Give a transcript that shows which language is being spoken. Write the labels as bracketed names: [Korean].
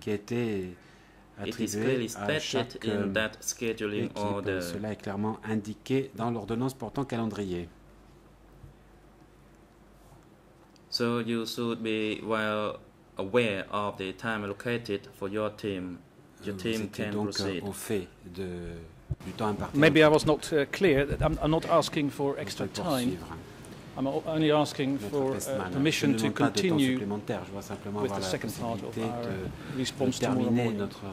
[English] It is clearly stated in that scheduling order. [French] Cela est clairement indiqué dans l'ordonnance portant calendrier. [English] So you should be well aware of the time allocated for your team. Your team can proceed. [French] Au fait de, du temps imparti. [English] Maybe I was not clear. I'm not asking for extra time. I'm only asking for permission to continue with the second part of our response tomorrow morning.